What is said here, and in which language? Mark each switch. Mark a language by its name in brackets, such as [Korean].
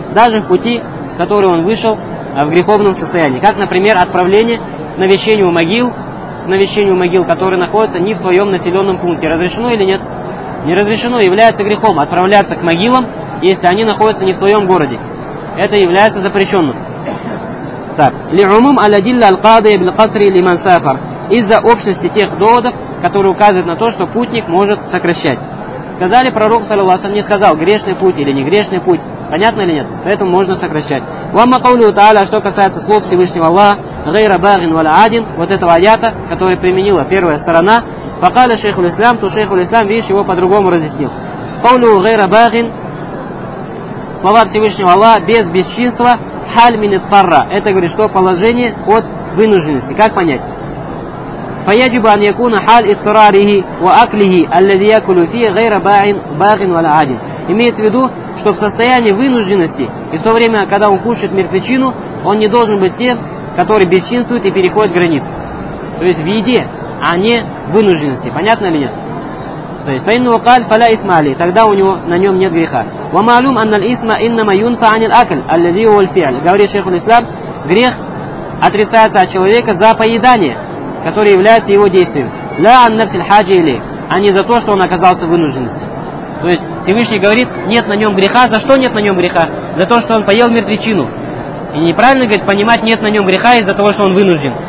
[Russian] Даже в пути, который он вышел в греховном состоянии. Как, например, отправление к навещению могил, который находится не в твоем населенном пункте. Разрешено или нет? Не разрешено. Является грехом отправляться к могилам, если они находятся не в твоем городе. Это является запрещенным. [Arabic] Так, لعموم الأدلة القاضية بالقصر لمن سافر. [Russian] Из-за общности тех доводов, которые указывают на то, что путник может сокращать. Сказали пророк, саллаллаху алейхи ва саллям, не сказал, грешный путь или не грешный путь. Понятно или нет? Поэтому можно сокращать. [Arabic] وَمَا قَوْلُهُ تَعَالَى, [Russian] что касается слов Всевышнего Аллаха, [Arabic] غَيْرَ بَاغٍ وَلَا عَادٍ, [Russian] вот этого аята, который применила первая сторона, [Arabic] فَقَالَ شَيْخُ الْإِسْلَامِ, [Russian] то шейх ул-Ислам, видишь, его по-другому разъяснил. [Arabic] قَوْلُهُ غَيْرَ بَاغٍ, [Russian] слова Всевышнего Аллаха, без бесчинства, халь минит парра, это, говорит, что положение от вынужденности. Как понять? [Arabic] فيجب أن يكون حال اضطراره وأكله الذي يأكل فيه غير باغ ولا عاجل. [Russian] Имеется в виду, что в состоянии вынужденности и в то время, когда он кушает мертвечину, он не должен быть тем, который бесчинствует и переходит границы. То есть в еде, а не в вынужденности. Понятно ли нет? То есть [Arabic] فإنه قال فلا إثم عليه. [Russian] Тогда у него на нем нет греха. [Arabic] ومعلوم أن الإثم إنما ينفى عن الأكل الذي هو الفعل. [Russian] Говорит шейх ислам, грех отрицается от человека за поедание, которое является его действием. [Arabic] لا عن نفس الحاجة إليه. [Russian] А не за то, что он оказался в вынужденности. То есть Всевышний говорит, нет на нем греха. За что нет на нем греха? За то, что он поел мертвечину. И неправильно, говорит, понимать, нет на нем греха из-за того, что он вынужден.